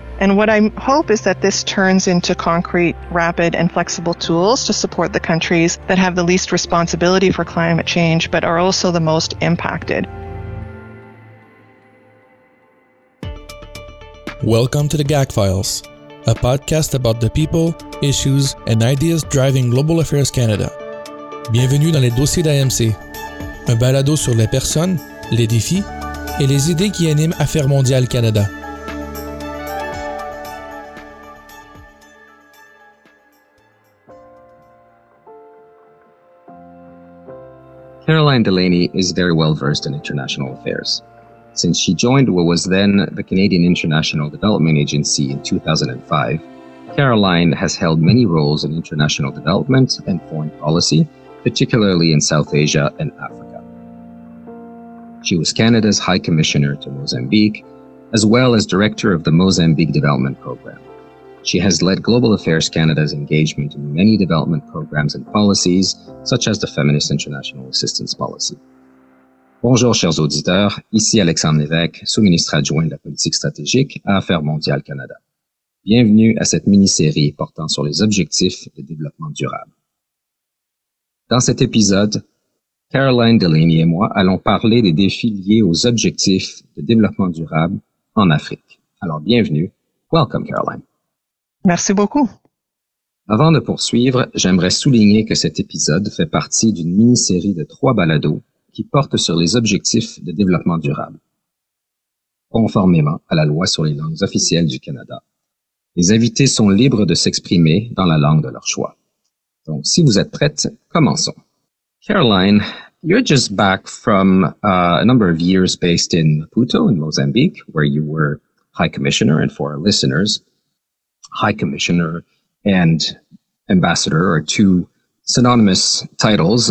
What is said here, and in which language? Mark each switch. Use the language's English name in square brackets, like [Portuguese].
[English] And what I hope is that this turns into concrete, rapid, and flexible tools to support the countries that have the least responsibility for climate change, but are also the most impacted. Welcome to the GAC Files, a podcast about the people, issues, and ideas driving Global Affairs Canada. [French] Bienvenue dans les dossiers d'AMC, un balado sur les personnes, les défis et les idées qui animent Affaires mondiales Canada. [English] Caroline Delaney is very well versed in international affairs. Since she joined what was then the Canadian International Development Agency in 2005, Caroline has held many roles in international development and foreign policy, particularly in South Asia and Africa. She was Canada's High Commissioner to Mozambique, as well as Director of the Mozambique Development Program. She has led Global Affairs Canada's engagement in many development programs and policies, such as the Feminist International Assistance Policy. [French] Bonjour, chers auditeurs. Ici Alexandre Lévesque, sous-ministre adjoint de la politique stratégique à Affaires mondiales Canada. Bienvenue à cette mini-série portant sur les objectifs de développement durable. Dans cet épisode, Caroline Delaney et moi allons parler des défis liés aux objectifs de développement durable en Afrique. Alors, bienvenue. [English] Welcome, [French] Caroline. Merci beaucoup. Avant de poursuivre, j'aimerais souligner que cet épisode fait partie d'une mini-série de 3 balados qui porte sur les objectifs de développement durable. Conformément à la loi sur les langues officielles du Canada, les invités sont libres de s'exprimer dans la langue de leur choix. Donc, si vous êtes prête, commençons. [English] Caroline, you're just back from a number of years based in Maputo, in Mozambique, where you were High Commissioner, and for our listeners, High Commissioner and Ambassador are two synonymous titles.